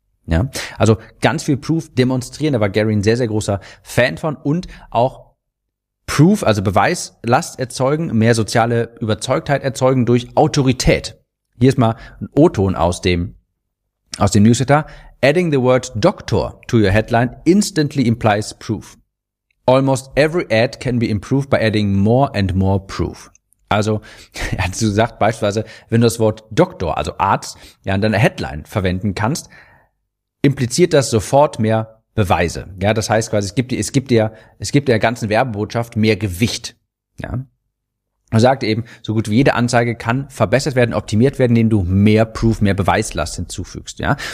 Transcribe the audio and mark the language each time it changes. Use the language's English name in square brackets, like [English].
[German] Ja, also ganz viel Proof demonstrieren, da war Gary ein sehr, sehr großer Fan von und auch Proof, also Beweislast erzeugen, mehr soziale Überzeugtheit erzeugen durch Autorität. Hier ist mal ein O-Ton aus dem Newsletter. [English] Adding the word doctor to your headline instantly implies proof. Almost every ad can be improved by adding more and more proof. [German] Also, er hat gesagt, beispielsweise, wenn du das Wort Doktor, also Arzt, ja, in deiner Headline verwenden kannst, impliziert das sofort mehr Beweise. Ja, das heißt quasi, es gibt der ganzen Werbebotschaft mehr Gewicht. Ja. Er sagt eben, so gut wie jede Anzeige kann verbessert werden, optimiert werden, indem du mehr Proof, mehr Beweislast hinzufügst. Ja.